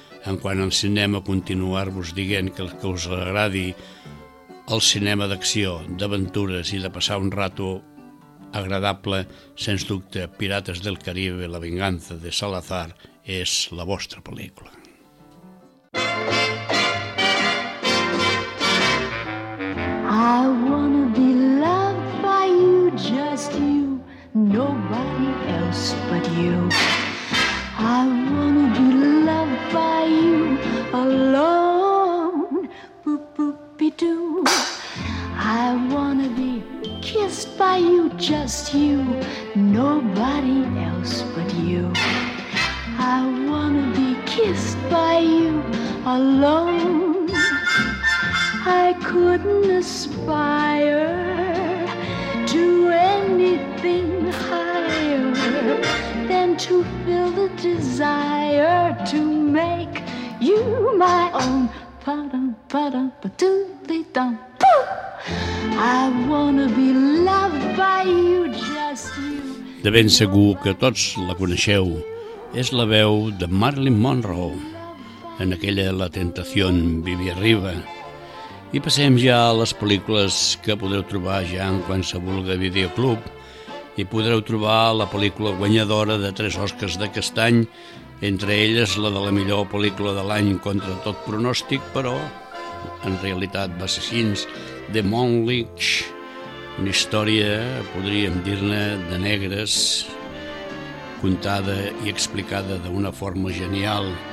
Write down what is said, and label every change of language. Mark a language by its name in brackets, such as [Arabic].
[Catalan] En quant al cinema, continuar-vos dient que el que us agradi el cinema d'acció, d'aventures i de passar un rato agradable, sens dubte Pirates del Caribe, La venganza de Salazar és la vostra pel·lícula. [English] I wanna be loved by you, just you, nobody else but you. I wanna be loved by you alone, boop-boop-be-doo. I wanna be kissed by you, just you, nobody else but you. I wanna be kissed by you alone. I couldn't aspire to anything higher than to feel the desire to make you my own. Pa-dum-pa-dum-pa-dum-dee-dum. I wanna be loved by you, just you. [Catalan] De ben segur que tots la coneixeu. És la veu de Marilyn Monroe en aquella La tentación vive arriba. I passem ja a les pel·lícules que podeu trobar ja en qualsevol videoclub. I podreu trobar la pel·lícula guanyadora de 3 Oscars d'aquest any, entre elles la de la millor pel·lícula de l'any contra tot pronòstic, però en realitat va ser així, The Moonlight, una història, podríem dir-ne, de negres, contada i explicada d'una forma genial.